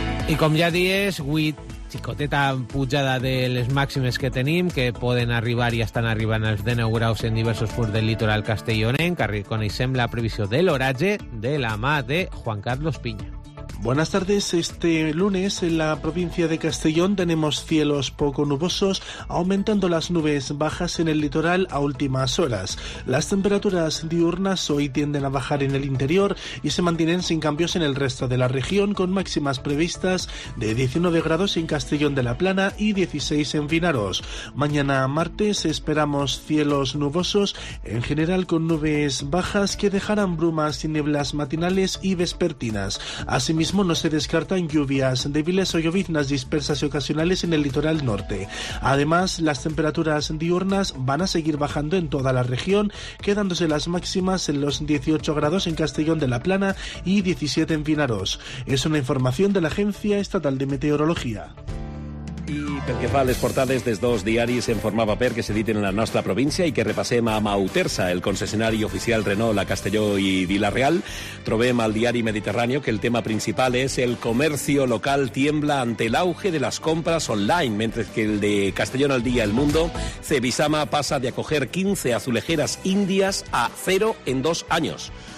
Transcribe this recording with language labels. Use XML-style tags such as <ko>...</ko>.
<ca>I com ja dius, 8 xicoteta pujada de les màximes que tenim, que poden arribar i estan arribant els 19 graus en diversos punts del litoral castellonenc, que reconeixem la previsió de l'horatge de la mà de Juan Carlos Piña.</ca> <es>Buenas tardes. Este lunes en la provincia de Castellón tenemos cielos poco nubosos, aumentando las nubes bajas en el litoral a últimas horas. Las temperaturas diurnas hoy tienden a bajar en el interior y se mantienen sin cambios en el resto de la región, con máximas previstas de 19 grados en Castellón de la Plana y 16 en Vinaroz. Mañana martes esperamos cielos nubosos, en general con nubes bajas que dejarán brumas y nieblas matinales y vespertinas. Asimismo, no se descartan lluvias débiles o lloviznas dispersas y ocasionales en el litoral norte. Además, las temperaturas diurnas van a seguir bajando en toda la región, quedándose las máximas en los 18 grados en Castellón de la Plana y 17 en Vinaroz. Es una información de la Agencia Estatal de Meteorología.</es> <ca>I pel que fa a les portades dels dos diaris en format paper que s'editen a la nostra província i que repassem amb Autersa, el concessionari oficial Renault a Castelló i Vila-real, trobem al diari Mediterrani que el tema principal és</ca> <es>el comercio local tiembla ante el auge de las compras online,</es> <ca>mentre que el de Castellón al día El Mundo, Cebisama passa de</ca> <es>acoger 15 azulejeras</es> <ca>índies a 0 en 2 anys.</ca>